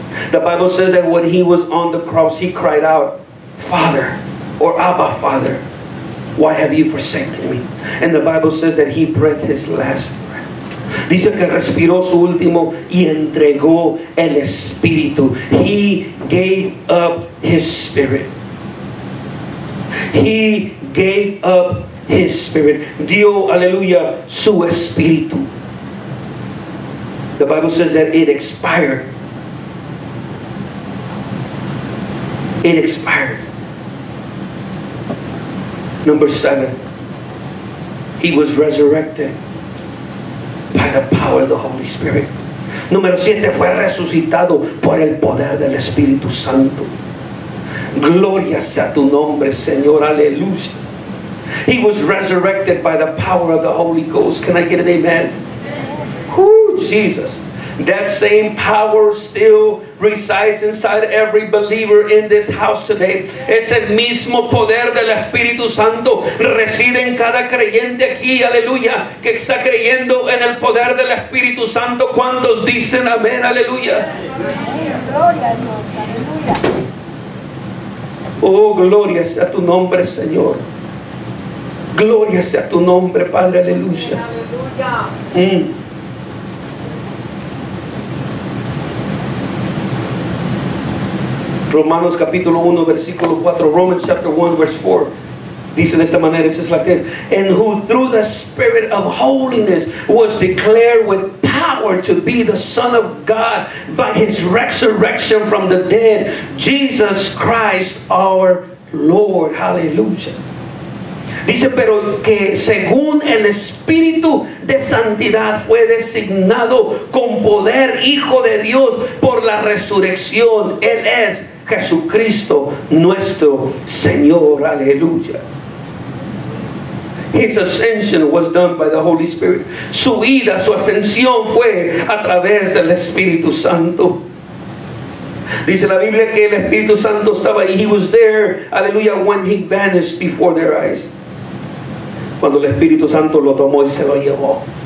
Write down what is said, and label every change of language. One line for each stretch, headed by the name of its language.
English: The Bible says that when he was on the cross, he cried out, Father, or Abba, Father, why have you forsaken me? And the Bible says that he breathed his last breath.
Spanish: Dice que respiró su último y entregó el Espíritu.
English: He gave up his spirit. He gave up his spirit.
Spanish: Dio, aleluya, su espíritu.
English: The Bible says that it expired. It expired. Number 7. He was resurrected by the power of the Holy Spirit.
Spanish: Número 7. Fue resucitado por el poder del Espíritu Santo. Gloria sea tu nombre, Señor. Aleluya.
English: He was resurrected by the power of the Holy Ghost. Can I get an amen? Whoo, Jesus. That same power still resides inside every believer in this house today.
Spanish: Ese mismo poder del Espíritu Santo reside en cada creyente aquí, aleluya, que está creyendo en el poder del Espíritu Santo. ¿Cuántos dicen amén? Aleluya. Gloria a Dios. Aleluya. Oh, gloria sea tu nombre, Señor. Gloria sea tu nombre, Padre, aleluya. Aleluya. Romanos capítulo 1, versículo 4.
English: Romans chapter 1, verse 4.
Spanish: Dice de esta manera, esa es la que.
English: And who through the Spirit of holiness was declared with power to be the Son of God by his resurrection from the dead, Jesus Christ our Lord. Hallelujah.
Spanish: Dice, pero que según el Espíritu de Santidad fue designado con poder Hijo de Dios por la resurrección. Él es Jesucristo nuestro Señor. Aleluya.
English: His ascension was done by the Holy Spirit.
Spanish: Su ida, su ascensión fue a través del Espíritu Santo. Dice la Biblia que el Espíritu Santo estaba ahí.
English: He was there,
Spanish: aleluya,
English: when he vanished before their eyes.
Spanish: Cuando el Espíritu Santo lo tomó y se lo llevó.